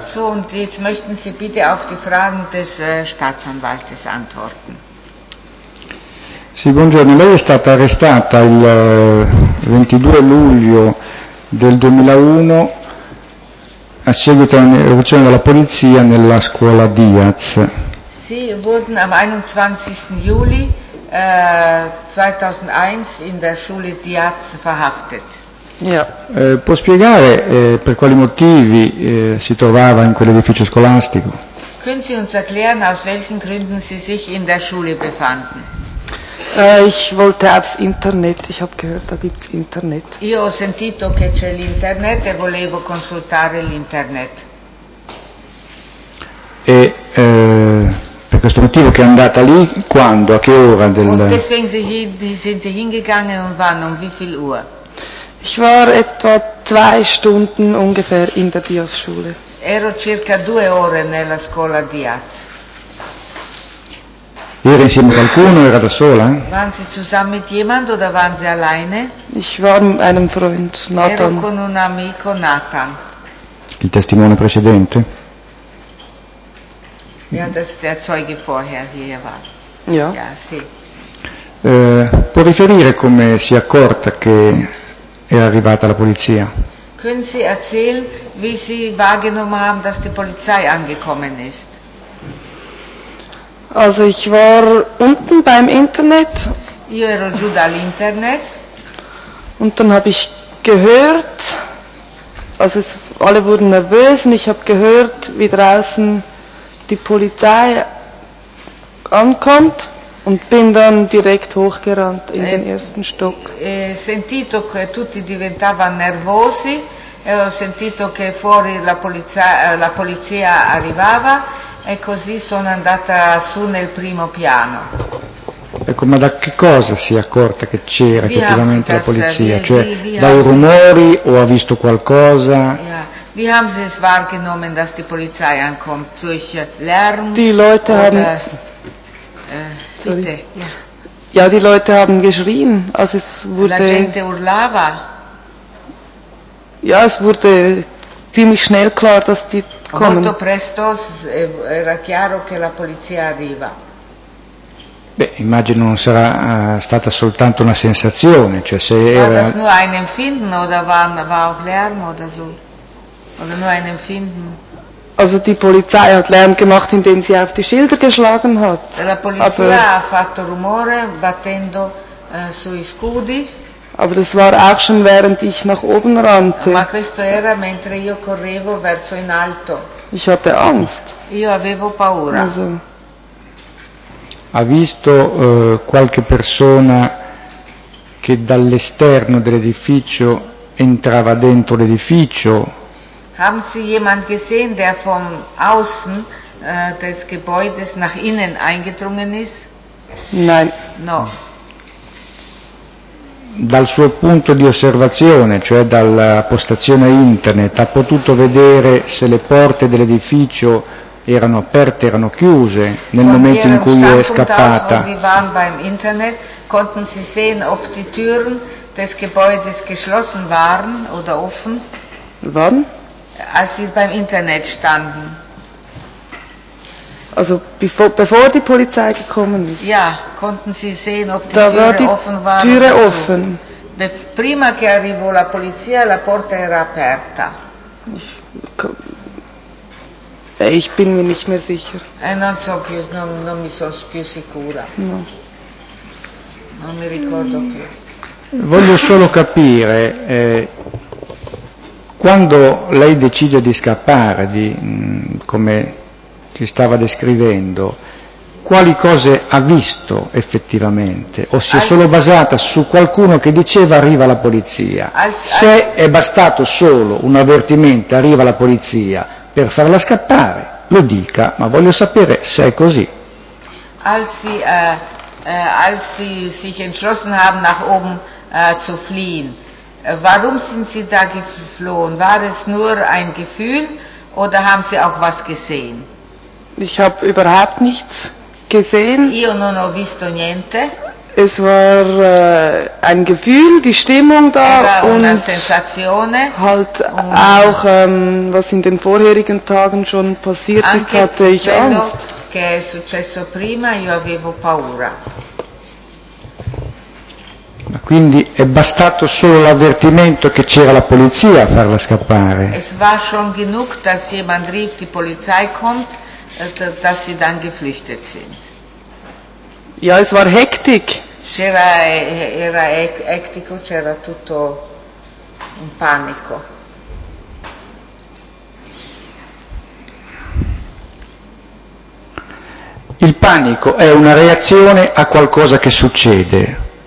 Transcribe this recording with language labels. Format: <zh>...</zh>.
<de>So, und jetzt möchten Sie bitte auf die Fragen des Staatsanwaltes antworten.</de> <it>Sì, buongiorno. Lei è stata arrestata il 22 luglio del 2001 a seguito di un'irruzione della polizia nella scuola Diaz. Sì,</it> <de>wurden am 21. Juli 2001 in der Schule Diaz verhaftet. Yeah.</de> <it>Può spiegare per quali motivi si trovava in quell'edificio scolastico?</it> <de>Können Sie uns erklären, aus welchen Gründen Sie sich in der Schule befanden? Ich wollte aufs Internet, ich habe gehört, da gibt's Internet.</de> <it>Io ho sentito che c'è l'Internet e volevo consultare l'Internet. E per questo motivo che è andata lì, quando, a che ora del...</it> <de>Und deswegen sind Sie hingegangen und wann, um wie viel Uhr? Ich war etwa 2 Stunden ungefähr in der Diaz-Schule.</de> <it>Ero circa 2 ore nella scuola Diaz. Era insieme a qualcuno o era da sola?</it> <de>Waren Sie zusammen mit jemand oder waren Sie alleine? Ich war mit einem Freund, Nathan.</de> <it>Ero con un amico, Nathan. Il testimone precedente?</it> <de>Ja, das ist der Zeuge vorher, hier war. Ja? Ja,</de> <it>sì. Può riferire come si è accorta che è arrivata la polizia?</it> <de>Können Sie erzählen, wie Sie wahrgenommen haben, dass die Polizei angekommen ist? Also ich war unten beim Internet.</de> <it>Io ero giù dall'Internet.</it> <de>Und dann habe ich gehört, also es, alle wurden nervös und ich habe gehört, wie draußen die Polizei ankommt und bin dann direkt hochgerannt in den ersten Stock.</de> <it>Sentito che tutti diventavano nervosi e ho sentito che fuori la polizia arrivava. E così sono andata su nel primo piano. Ecco, ma da che cosa si è accorta che c'era effettivamente la polizia? Cioè, dai rumori o ha visto qualcosa?</it> <de>Ja. Wie haben Sie es wahrgenommen, dass die Polizei ankommt? Durch Lärm? Die Leute haben... Bitte. Ja, die Leute haben geschrien. Also es wurde...</de> <it>La gente urlava?</it> <de>Ja, es wurde ziemlich schnell klar, dass die...</de> <it>Molto presto era chiaro che la polizia arriva. Beh, immagino non sarà stata soltanto una sensazione, cioè se era...</it> <de>War das nur ein Empfinden oder war auch Lärm oder so? Oder nur ein Empfinden? Also die Polizei hat Lärm gemacht, indem sie auf die Schilder geschlagen hat.</de> <it>La polizia ha fatto rumore battendo sui scudi.</it> <de>Aber das war auch schon während ich nach oben rannte.</de> <it>Ma questo era mentre io correvo verso in alto.</it> <de>Ich hatte Angst.</de> <it>Io avevo paura.</it> <de>Also.</de> <it>Ha visto qualche persona che dall'esterno dell'edificio entrava dentro l'edificio?</it> <de>Haben Sie jemand gesehen, der vom außen des Gebäudes nach innen eingedrungen ist? Nein.</de> <it>No. Dal suo punto di osservazione, cioè dalla postazione internet, ha potuto vedere se le porte dell'edificio erano aperte, erano chiuse nel momento in cui è scappata?</it> <de>Aus, waren beim Internet, konnten Sie sehen, ob die Türen des Gebäudes geschlossen waren oder offen? Wann? Als Sie beim Internet standen. also bevor die Polizei gekommen ist. Ja, konnten Sie sehen, ob die Türe offen war? Da war die Türe offen.</de> <it>Prima che arrivò la polizia, la porta era aperta.</it> <de>Ich bin mir nicht mehr sicher.</de> <it>Non so più, non mi sono più sicura. No. Non mi ricordo più. Voglio solo capire, quando lei decide di scappare, come ci stava descrivendo, quali cose ha visto effettivamente? O si è solo basata su qualcuno che diceva arriva la polizia? Se è bastato solo un avvertimento, arriva la polizia, per farla scappare, lo dica, ma voglio sapere se è così.</it> <de>Als sie sich entschlossen haben, nach oben zu fliehen, warum sind sie da geflohen? War es nur ein Gefühl oder haben sie auch was gesehen? Ich habe überhaupt nichts gesehen. Io non ho visto niente. Es war ein Gefühl, die Stimmung da und halt auch, was in den vorherigen Tagen schon passiert ist, hatte ich Angst.</de> <it>Che è successo prima, io avevo paura. Ma quindi è bastato solo l'avvertimento che c'era la polizia a farla scappare?</it> <de>Es war schon genug, dass jemand rief, die Polizei kommt, dass sie dann geflüchtet sind. Ja, es war hektik.</de> <it>C'era hektico, c'era tutto un panico. Il panico è una reazione a qualcosa che succede.</it>